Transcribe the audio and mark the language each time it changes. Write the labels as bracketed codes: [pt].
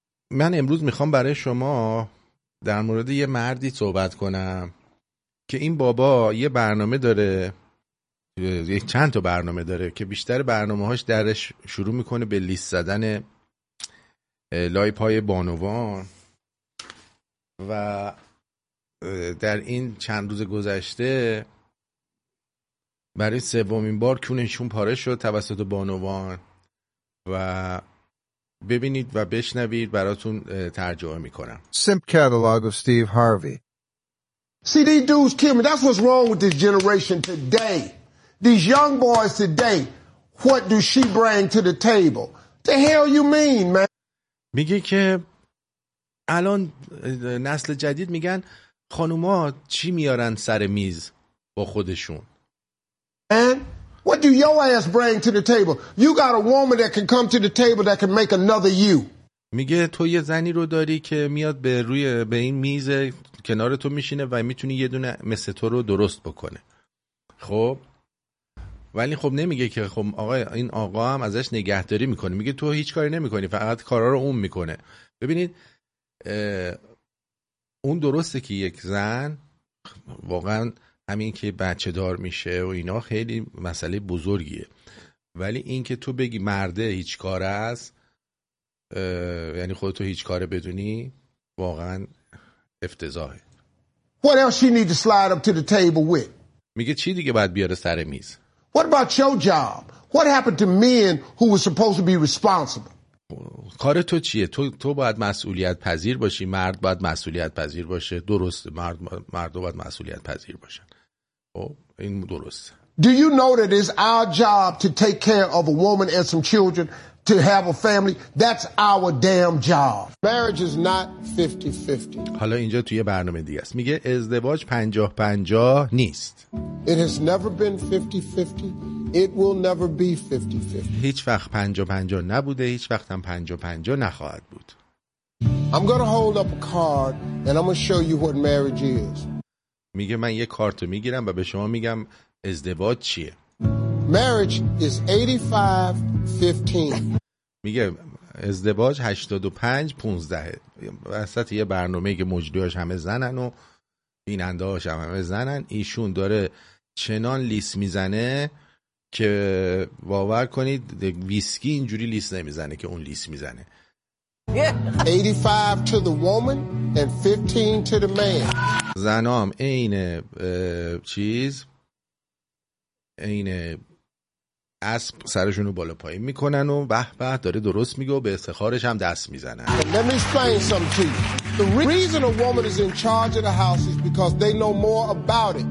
[fa] من امروز میخوام برای شما در مورد یه مردی صحبت کنم که این بابا یه برنامه داره، یه چند تا برنامه داره که بیشتر برنامه هاش درش شروع میکنه به لیست زدن لای پای بانوان، و در این چند روز گذشته برای سومین بار کونشون پاره شد توسط بانوان، و ببینید و بشنوید، براتون ترجمه میکنم. [en] Simp catalog of Steve Harvey. See these dudes kill me. That's what's wrong with this generation today. These young boys today. What do she bring to the table? The hell you mean, man? [fa] میگه که الان نسل جدید میگن خانوما چی میارن سر میز با خودشون. [en] And what do your ass bring to the table? You got a woman that can come to the table that can make another you. [fa] میگه تو یه زنی رو داری که میاد به روی به این میز کنار تو میشینه و میتونی یه دونه مثل تو رو درست بکنه. خب ولی خب نمیگه که خب آقا این آقا هم ازش نگهداری میکنه، میگه تو هیچ کاری نمیکنی، فقط کارا رو اون میکنه. ببینید اون درسته که یک زن واقعا همین که بچه دار میشه و اینا خیلی مسئله بزرگیه، ولی این که تو بگی مرده هیچ کار است، یعنی خودتو هیچ کاره بدونی، واقعا افتضاحه. [en] What else she need to slide up to the table with? [fa] میگه چی دیگه باید بیاره سر میز؟ [en] What about your job? What happened to men who were supposed to be responsible? [fa] کار تو چیه؟ تو باید مسئولیت پذیر باشی، مرد باید مسئولیت پذیر باشه. درسته، مرد باید مسئولیت پذیر باشه. این درست. [en] Do you know that it's our job to take care of a woman and some children, to have a family? That's our damn job. Marriage is not 50-50. [fa] حالا اینجا توی برنامه دیگه است. میگه ازدواج 50-50 نیست. [en] It has never been 50-50. It will never be 50-50. [fa] هیچ وقت 50-50 نبوده، هیچ وقت هم 50-50 نخواهد بود. [en] I'm going to hold up a card and I'm going to show you what marriage is. [fa] میگه من یه کارتو میگیرم و به شما میگم ازدواج چیه. [en] Marriage is 85-15. [fa] میگه ازدواج 85-15. وسط یه برنامه که مجریاش همه زنن و بیننده‌هاش همه زنن، ایشون داره چنان لیست میزنه که باور کنید ویسکی اینجوری لیست نمیزنه که اون لیست میزنه. [en] 85 to the woman and 15 to the man. [fa] زنام اینه چیز اینه اسب سرشونو بالا پایین میکنن و به داره درست میگه و به استخارش هم دست میزنن. [en] Let me explain something to you. The reason a woman is in charge of the house is because they know more about it.